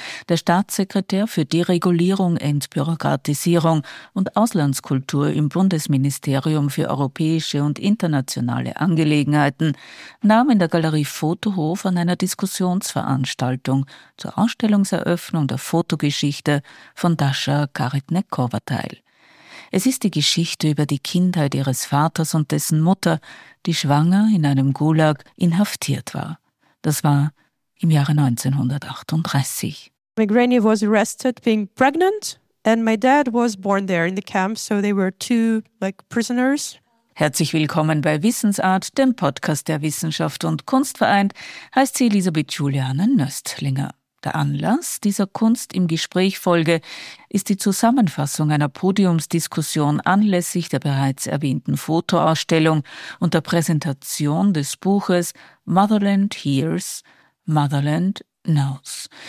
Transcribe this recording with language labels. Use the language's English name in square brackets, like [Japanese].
[German] Der Staatssekretär für Deregulierung, Entbürokratisierung und Auslandskultur im Bundesministerium für europäische und internationale Angelegenheiten nahm in der Galerie Fotohof an einer Diskussionsveranstaltung zur Ausstellungseröffnung der Fotogeschichte von Dasha Karitnekova teil. Es ist die Geschichte über die Kindheit ihres Vaters und dessen Mutter, die schwanger in einem Gulag inhaftiert war. Das war im Jahre 1938. [English] My granny was arrested being pregnant and my dad was born there in the camp, so they were two like prisoners. [German] Herzlich willkommen bei Wissensart, dem Podcast der Wissenschaft und Kunst vereint, heißt sie Elisabeth Juliane Nöstlinger. Der Anlass dieser Kunst im Gespräch-Folge ist die Zusammenfassung einer Podiumsdiskussion anlässlich der bereits erwähnten Fotoausstellung und der Präsentation des Buches Motherland Hears, Motherland Knows.